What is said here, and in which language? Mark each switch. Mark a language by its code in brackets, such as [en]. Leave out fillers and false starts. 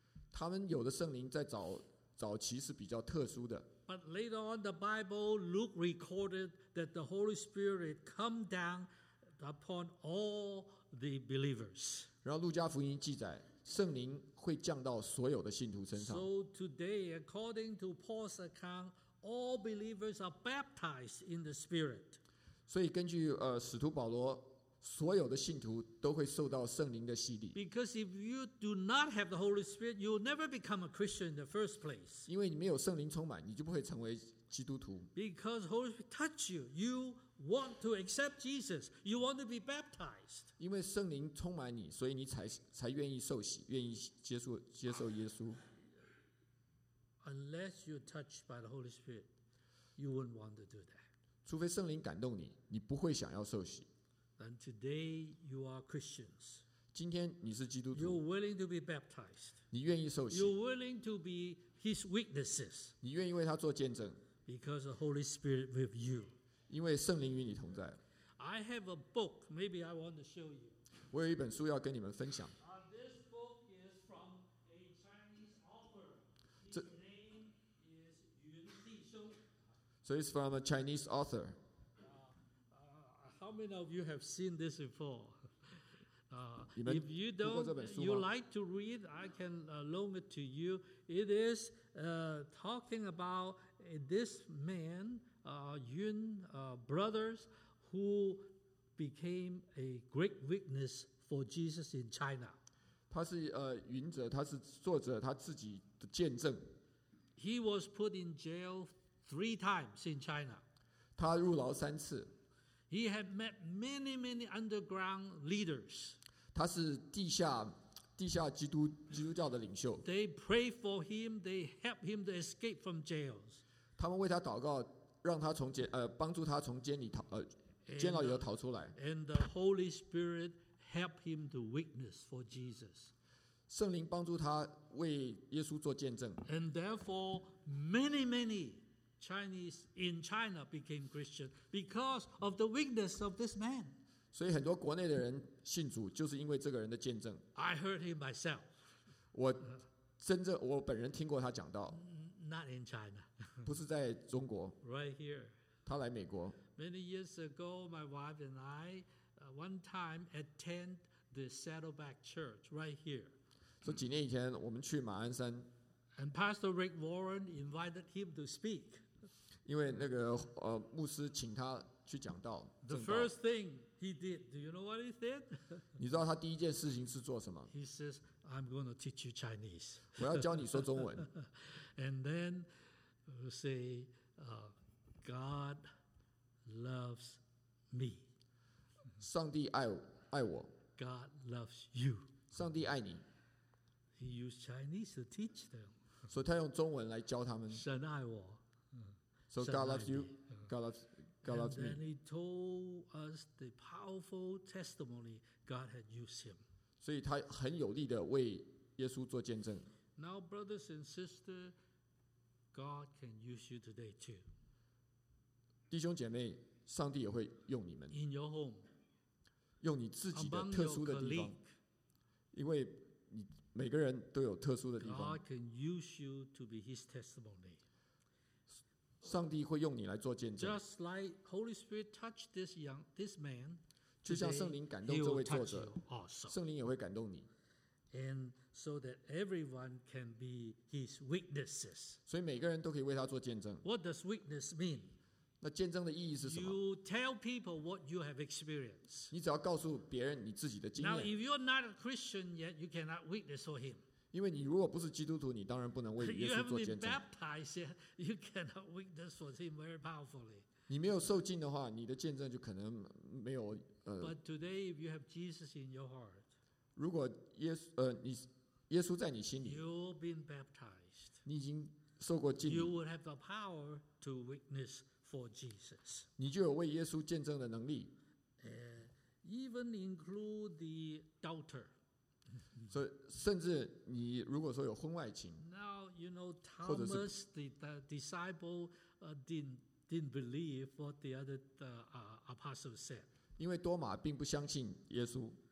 [zh] 他们有的圣灵在早期是比较特殊的。 [en] But later on, the Bible Luke recorded that the Holy Spirit come down upon all the believers. [zh] 然后路加福音记载圣灵会降到所有的信徒身上。 [en] So today, according to Paul's account, all believers are baptized in the Spirit. [zh] 所以根据使徒保罗，所有的信徒都会受到圣灵的洗礼。 [en] Because if you do not have the Holy Spirit, you will never become a Christian in the first place. [zh] 因为你没有圣灵充满，你就不会成为基督徒。 [en] Because Holy Spirit touch you, you want to accept Jesus. You want to be baptized. [zh] 因为圣灵充满你，所以你才愿意受洗，愿意接受耶稣。 [en] Unless you're touched by the Holy Spirit, you wouldn't want to do that. [zh] 除非圣灵感动你，你不会想要受洗。 [en] And today you are Christians. [zh] 今天你是基督徒。 [en] You're willing to be baptized. [zh] 你愿意受洗。 [en] You're willing to be His witnesses. [zh] 你愿意为他做见证。 [en] Because the Holy Spirit with you. [zh] 因为圣灵与你同在。 [en] I have a book, maybe I want to show you. [zh] 我有一本书要跟你们分享。 [en] This book is from a Chinese author. His name is Yun Tixiong. So it's from a Chinese author. How many of you have seen this before? If you don't, you like to read, I can loan it to you. It is talking about this man,brothers who became a great witness for Jesus in China. [zh] 他是云哲，他是作者，他自己的见证。 [en] He was put in jail 3 times in China. [zh] 他入牢三次。 [en] He had met many underground leaders. [zh] 他是地下基督教的领袖。 They prayed for him. They helped him to escape from jails. 他们为他祷告。让他从监帮助他从监里逃监牢里头逃出来。 [en] And the Holy Spirit helped him to witness for Jesus. [zh] 圣灵帮助他为耶稣做见证。 [en] And therefore, many Chinese in China became Christian because of the witness of this man. [zh] 所以很多国内的人信主就是因为这个人的见证。 [en] I heard him myself. [zh] 我本人听过他讲道。 [en] Not in China. [zh] 不是在中国。 [en] Right here. [zh] 他来美国。 [en] Many years ago, my wife and I, one time attend the Saddleback Church right here. [zh] 说几年以前我们去马鞍山。 [en] And Pastor Rick Warren invited him to speak. [zh] 因为那个牧师请他去讲道。 [en] The first thing he did, do you know what he did? [zh] 你知道他第一件事情是做什么？ [en] He says, I'm going to teach you Chinese. [zh] 我要教你说中文。 [en] And then we say, God loves me. [zh] 上帝爱我。 [en] God loves you. [zh] 上帝爱你。 [en] He used Chinese to teach them. [zh] 所以他用中文来教他们。神爱我。 [en] So God loves you. God loves, God loves me. And he told us the powerful testimony God had used him. [zh] 所以他很有力地为耶稣做见证。 [en] Now, brothers and sisters, God can use you today too. [zh] 弟兄姐妹, 上帝也会用你们。 [en] In your home. [zh] 用你自己的特殊的地方。因为每个人都有特殊的地方。 [en] God can use you to be his testimony. [zh] 上帝会用你来做见证。 [en] Just like Holy Spirit touched this young, this man, [zh] 就像圣灵感动这位作者, 圣灵也会感动你。 [en] And so that everyone can be his witnesses. [zh] 所以每个人都可以为他做见证。 [en] What does witness mean? [zh] 那见证的意义是什么? [en] You tell people what you have experienced. [zh] 你只要告诉别人你自己的经验。 [en] Now, if you're not a Christian yet, you cannot witness for him. [zh] 因为你如果不是基督徒, 你当然不能为耶稣做见证。 [en] You haven't been baptized yet, you cannot witness for him very powerfully. [zh] 你没有受浸的话, 你的见证就可能没有, [en] But today, if you have Jesus in your heart, [zh] 如果耶稣在你心里, [en] You've been baptized. [zh] 你已经受过浸淫, [en] You would have the power to witness for Jesus. [zh] 你就有为耶稣见证的能力, [en] even include the doubter. [zh] 甚至你如果说有婚外情, [en] Now, you know, Thomas, the disciple, didn't believe what the other apostles said. [zh] 因为多马并不相信耶稣,